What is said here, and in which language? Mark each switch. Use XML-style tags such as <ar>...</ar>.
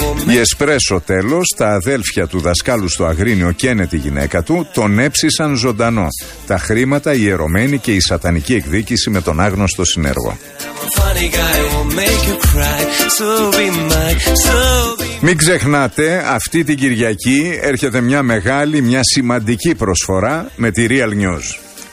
<el>Η Εσπρέσο τέλος, τα αδέλφια του δασκάλου στο Αγρίνιο καίνε τη γυναίκα του, τον έψησαν ζωντανό. Τα χρήματα, η ιερωμένη και η σατανική εκδίκηση με τον άγνωστο συνέργο.</el> <en>funny guy, will make you cry. So be mine, so be.</en> <el>Μην ξεχνάτε, αυτή την Κυριακή έρχεται μια μεγάλη, μια σημαντική προσφορά με τη Real News.</el>